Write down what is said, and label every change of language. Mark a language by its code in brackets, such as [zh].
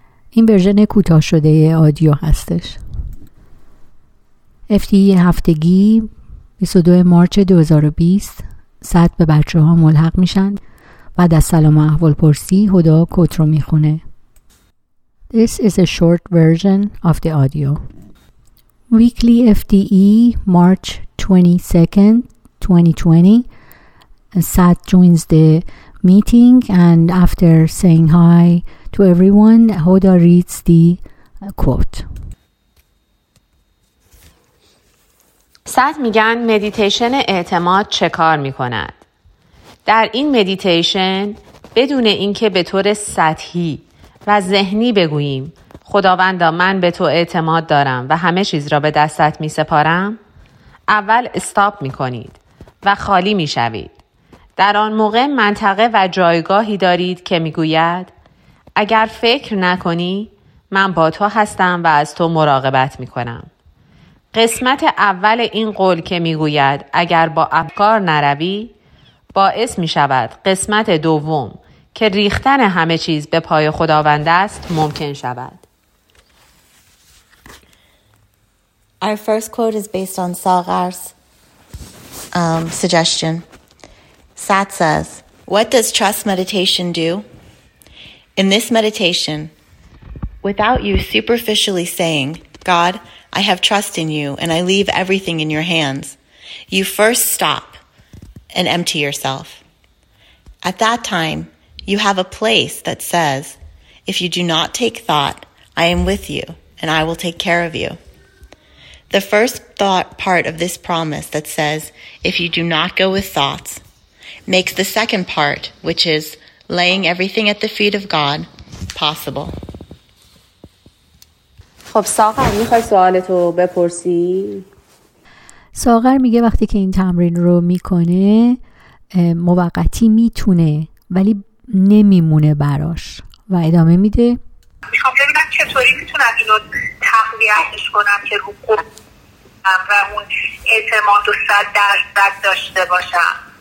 [fa] این ورژن کوتاه شده آدیو هستش. FTE هفتگی 22 مارچ 2020 ساعت به بچه ها ملحق میشن. بعد از سلام و احوال پرسی هدا کوت رو میخونه. [en] This is a short version of the audio. Weekly FTE March 22nd, 2020. Sat joins the meeting and after saying hi to everyone, Hoda reads the quote. [fa] سات میگن مدیتیشن اعتماد چه کار میکند؟ در این مدیتیشن بدون اینکه به طور سطحی و ذهنی بگوییم خداوندا من به تو اعتماد دارم و همه چیز را به دستت میسپارم، اول استاپ میکنید و خالی میشوید. در آن موقع منطقه و جایگاهی دارید که میگوید اگر فکر نکنی من با تو هستم و از تو مراقبت میکنم. قسمت اول این قول که میگوید اگر با افکار نروی، باعث میشود قسمت دوم که ریختن همه چیز به پای خداوند است ممکن شود. [en] Our first quote is based on Salgar's suggestion. Sat says, "What does trust meditation do? In this meditation, without you superficially saying, 'God, I have trust in you and I leave everything in your hands,' you first stop and empty yourself. At that time, you have a place that says, 'If you do not take thought, I am with you and I will take care of you.' The first thought part of this promise that says, 'If you do not go with thoughts,' makes the second part, which is laying everything at the feet of God, possible." [fa] خب ساغر میخوای سوالتو بپرسی؟ ساغر میگه وقتی که این تمرین رو میکنه موقتی میتونه ولی نمیمونه براش و ادامه میده. میخوام ببینم چطوری میتونم اینو تقویتش کنم که روح و اون اعتماد و صد درصد داشته باشم.